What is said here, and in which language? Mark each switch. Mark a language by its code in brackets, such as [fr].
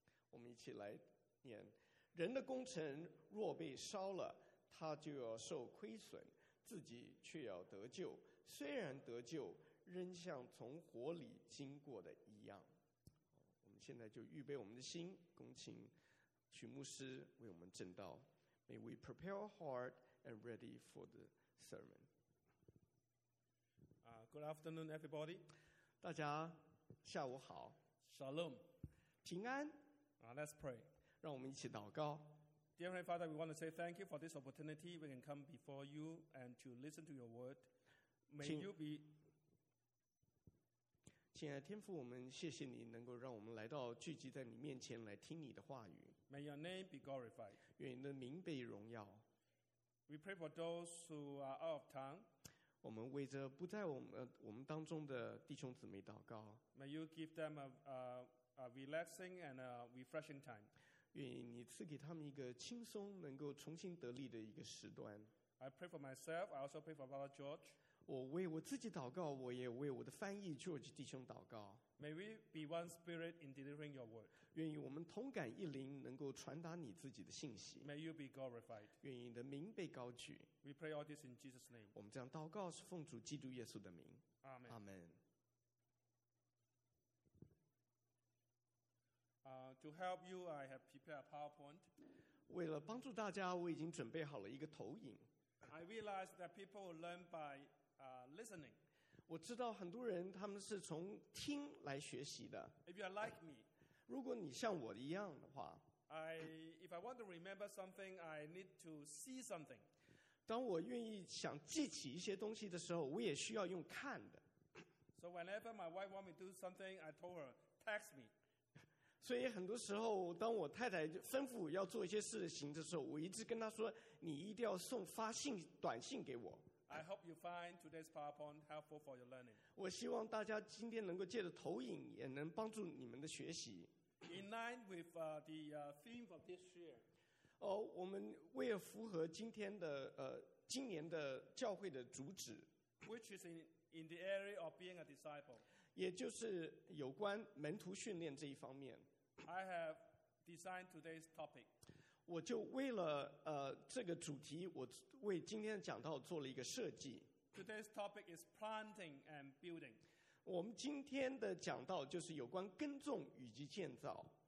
[zh] 我们一起来念，人的功臣若被烧了，他就要受亏损，自己却要得救，虽然得救，仍像从火里经过的一样。现在就预备我们的心，恭请许牧师为我们证道。 [en] May we prepare our heart and ready for the sermon. Good afternoon, everybody. [zh] 大家下午好。 [he] Shalom. [zh] 平安。 [en] Let's pray. [zh] 让我们一起祷告。 [en] Dear Heavenly Father, we want to say thank you for this opportunity. We can come before you and to listen to your word. May you be... [zh] 亲爱的天父，我们谢谢你能够让我们来到聚集在你面前来听你的话语。 [en] May your name be glorified. [zh] 愿你的名被荣耀。 [en] We pray for those who are out of town. [zh] 我们为着不在我们当中的弟兄姊妹祷告。 [en] May you give them a relaxing and a refreshing time. [zh] 愿你赐给他们一个轻松能够重新得力的一个时段。 [en] I pray for myself. I also pray for Brother George. [zh] 我为我自己祷告，我也为我的翻译 George 弟兄祷告。 [en] May we be one spirit in delivering your word. [zh] 愿意我们同感一灵，能够传达你自己的信息。 [en] May you be glorified. [zh] 愿意你的名被高举。 [en] We pray all this in Jesus' name. [zh] 我们这样祷告是奉主基督耶稣的名。 [en] Amen. Amen. To help you, I have prepared a PowerPoint. [zh] 为了帮助大家，我已经准备好了一个投影。 [en] I realize that people learn by listening. [zh] 我知道很多人他们是从听来学习的。 [en] If you are like me, [zh] 如果你像我一样的话， [en] if I want to remember something, I need to see something. [zh] 当我愿意想记起一些东西的时候，我也需要用看的。 [en] So whenever my wife wants me to do something, I told her, text me. [zh] 所以很多时候，当我太太吩咐要做一些事情的时候，我一直跟她说，你一定要送发信短信给我。 [en] I hope you find today's PowerPoint helpful for your learning. [zh] 我希望大家今天能够借着投影也能帮助你们的学习。 [en] In line with the theme of this year. [zh] 我们为了符合今天的今年的教会的主旨。 [en] Which is in the area of being a disciple. [zh] 也就是有关门徒训练这一方面。 [en] I have designed today's topic. [zh] 我就为了这个主题，我为今天的讲道做了一个设计。 [en] Today's topic is planting and building. [zh] 我们今天的讲道就是有关耕种以及建造。